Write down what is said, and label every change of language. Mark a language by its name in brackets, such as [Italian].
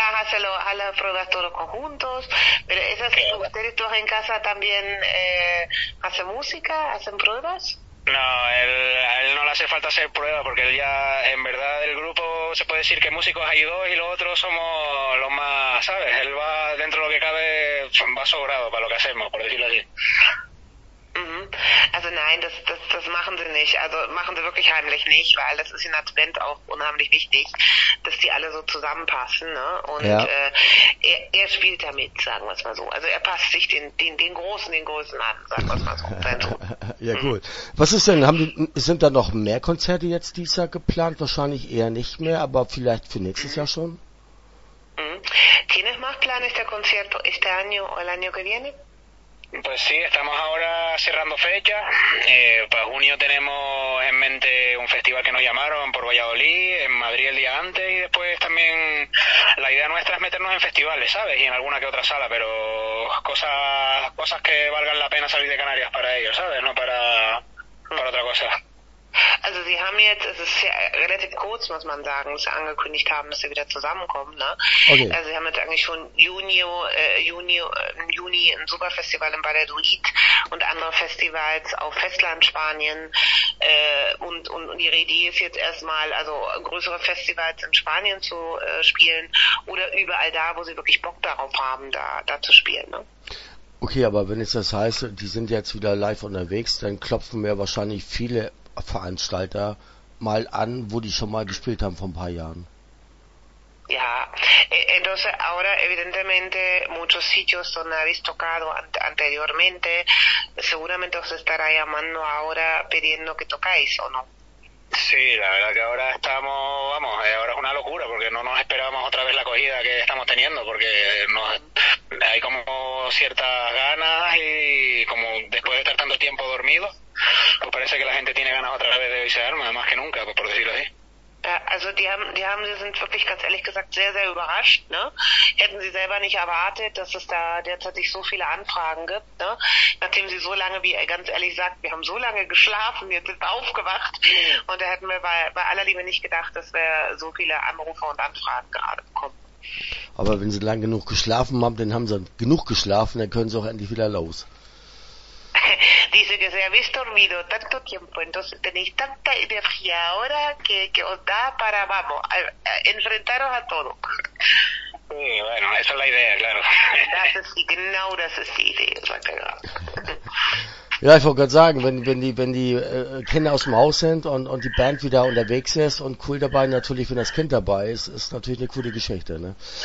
[Spanish] banda hace las pruebas todos conjuntos, pero es así, ¿ustedes todos en casa también hacen música, hacen pruebas? A él no le hace falta hacer prueba porque él ya, en verdad, el grupo se puede decir que músicos hay dos y los otros somos los más, ¿sabes? Él va dentro de lo que cabe, va sobrado para lo que hacemos, por decirlo así. [German] Also nein, das machen sie nicht. Also machen sie wirklich heimlich nicht, weil das ist in Advent auch unheimlich wichtig, dass die alle so zusammenpassen, ne? Und Ja. er spielt damit, sagen wir es mal so. Also er passt sich den Großen an, sagen wir es mal so, sein Sohn. Ja, gut. Was ist denn, sind da noch mehr Konzerte jetzt dieses Jahr geplant? Wahrscheinlich eher nicht mehr, aber vielleicht für nächstes Jahr schon? [Spanish] ¿Tienes más planes de concierto este año o el año que viene? Pues sí, estamos ahora cerrando fechas. Para junio tenemos en mente un festival que nos llamaron por Valladolid, en Madrid el día antes y después también la idea nuestra es meternos en festivales, ¿sabes? Y en alguna que otra sala, pero cosas que valgan la pena salir de Canarias para ellos, ¿sabes? No para otra cosa. [German] Also sie haben jetzt, es ist ja relativ kurz, muss man sagen, dass sie angekündigt haben, dass sie wieder zusammenkommen, ne? Okay. Also sie haben jetzt eigentlich schon Juni ein Superfestival in Valladolid und andere Festivals auf Festland Spanien. Und ihre Idee ist jetzt erstmal, also größere Festivals in Spanien zu spielen oder überall da, wo sie wirklich Bock darauf haben, da zu spielen, ne? Okay, aber wenn jetzt das heißt, die sind jetzt wieder live unterwegs, dann klopfen mir wahrscheinlich viele Veranstalter mal an, wo die schon mal gespielt haben vor ein paar Jahren. [Spanish] Ja, entonces ahora evidentemente muchos sitios donde habéis tocado anteriormente, seguramente os estará llamando ahora pidiendo que tocáis, ¿o no? Sí, la verdad que ahora estamos, vamos, ahora es una locura porque no nos esperábamos otra vez la acogida que estamos teniendo porque hay como ciertas ganas y como después de estar tanto tiempo dormido, pues parece que la gente tiene ganas otra vez de visitarme, más que nunca, pues por decirlo así. [German] Also die sind wirklich ganz ehrlich gesagt sehr, sehr überrascht, ne? Hätten sie selber nicht erwartet, dass es da derzeit so viele Anfragen gibt, ne? Nachdem sie so lange, wie er ganz ehrlich sagt, wir haben so lange geschlafen, jetzt sind wir aufgewacht. Und da hätten wir bei aller Liebe nicht gedacht, dass wir so viele Anrufe und Anfragen gerade bekommen. Aber wenn sie lang genug geschlafen haben, dann haben sie genug geschlafen, dann können sie auch endlich wieder los. [Spanish] Dice que se habéis dormido tanto tiempo, entonces tenéis tanta energía ahora que os da para, vamos, enfrentaros a todo. Bueno, esa es la idea, claro. [German] Das ist die, genau das ist die Idee, sagt er gerade. Ja, ich wollte gerade sagen, wenn die Kinder aus dem Haus sind und die Band wieder unterwegs ist und cool dabei, natürlich, wenn das Kind dabei ist, ist natürlich eine coole Geschichte, ne?